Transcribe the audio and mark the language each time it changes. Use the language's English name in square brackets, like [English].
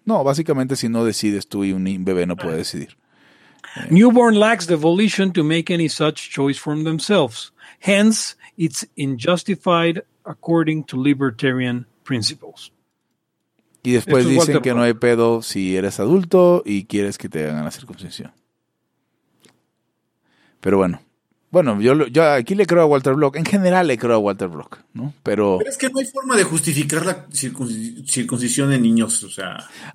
[Spanish] No, básicamente si no decides tú y un bebé no puede decidir. [English] Newborn lacks the volition to make any such choice for themselves. Hence, it's unjustified according to libertarian principles. [Spanish] Y después esto dicen que no hay pedo si eres adulto y quieres que te hagan la circuncisión. Pero bueno, yo aquí le creo a Walter Block. En general le creo a Walter Block, ¿no? Pero es que no hay forma de justificar la circuncisión de niños, o sea...